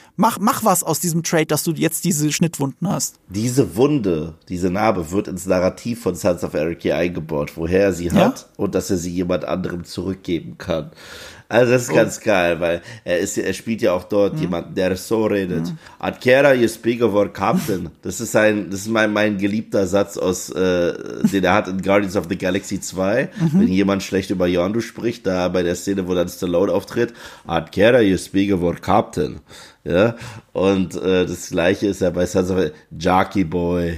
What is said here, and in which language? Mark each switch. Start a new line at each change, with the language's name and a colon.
German: Mach was aus diesem Trait, dass du jetzt diese Schnittwunden hast. Diese Wunde, diese Narbe wird ins Narrativ von Sons of Anarchy eingebaut, woher er sie hat und dass er sie jemand anderem zurückgeben kann. Also das ist ganz geil, weil er spielt ja auch dort jemanden, der so redet. Mhm.
English: Adkera, you speak of our captain.
German: Das ist mein geliebter Satz aus, den er hat in Guardians of the Galaxy 2. Mhm. Wenn jemand schlecht über Yondu spricht, da bei der Szene, wo dann Stallone auftritt, Adkera,
English: you speak of our captain.
German: Ja, und das gleiche ist ja bei Sons of Jockey Boy.